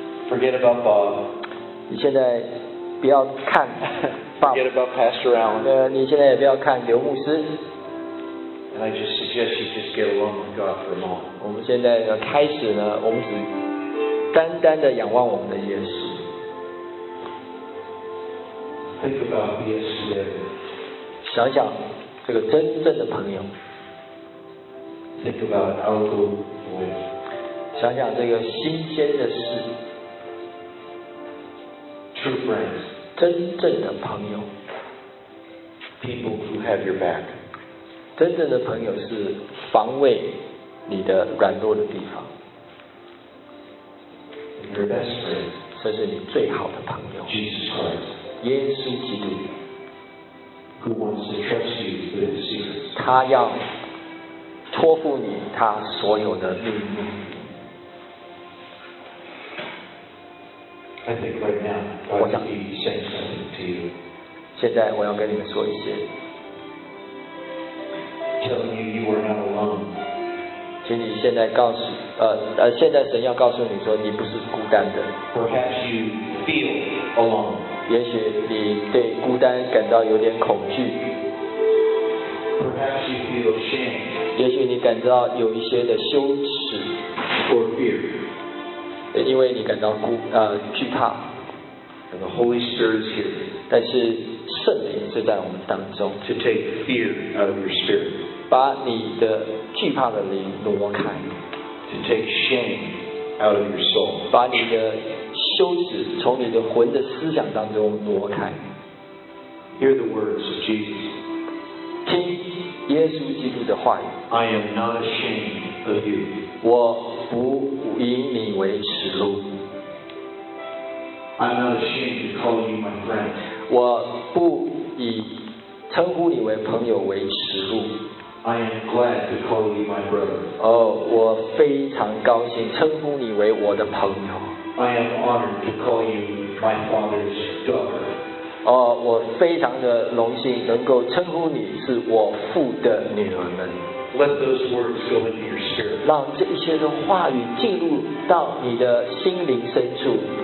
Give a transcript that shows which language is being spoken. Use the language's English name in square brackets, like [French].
[English] ，Forget about Bob。 [Chinese] 你现在不要看 Bob。 [English] Forget about Pastor Allen。 [Chinese] 你现在也不要看刘牧师。 [English] And I just suggest you just get along with God for a moment。 [Chinese] 我们现在开始呢，我们只单单的仰望我们的耶稣。 [English] Think about the S C A。 [Chinese] 想想这个真正的朋友。 [English] Think about our goal for it。 [Chinese] 想想这个新鲜的事。 [English] True friends， [Chinese] 真正的朋友。 [English] People who have your back， [Chinese] 真正的朋友是防卫你的软弱的地方。 [English] Your best friend， [Chinese] 这是你最好的朋友。 [English] Jesus Christ， [Chinese] 耶稣基督。 [English] Who wants to trust you with the secrets？ [Chinese] 他要托付你他所有的秘密。 [English] I think right now God will be saying something to you。 [Chinese] 现在我要跟你们说一些。 [English] Telling you you are not alone。 [Chinese] 请你现在告诉，现在神要告诉你说你不是孤单的。 [English] Perhaps you feel alone。 [Chinese] 也许你对孤单感到有点恐惧。 [English] Perhaps you feel ashamed。 [Chinese] 也许你感到有一些的羞耻。 [English] Or fear。 [Chinese] 因为你感到惧怕。 [English] And the Holy Spirit's here。 [Chinese] 但是圣灵是在我们当中。 [English] To take fear out of your spirit。 [Chinese] 把你的惧怕的灵挪开。 [English] To take shame out of your soul。 [Chinese] 把你的羞耻从你的魂的思想当中挪开。 [English] Hear the words of Jesus。 [Chinese] 听耶稣基督的话语。 [English] I am not ashamed of you。 [Chinese] 我不以你为耻辱。 [English] I'm not ashamed to call you my friend。 [Chinese] 我不以称呼你为朋友为耻辱。 [English] I am glad to call you my brother。 [Chinese] 哦，我非常高兴称呼你为我的朋友。 [English] I am honored to call you my father's daughter。 [Chinese] 哦，我非常的荣幸能够称呼你是我父的女儿们。 [English] Let those words go into your spirit。 [Chinese] 让这一些的话语进入到你的心灵深处。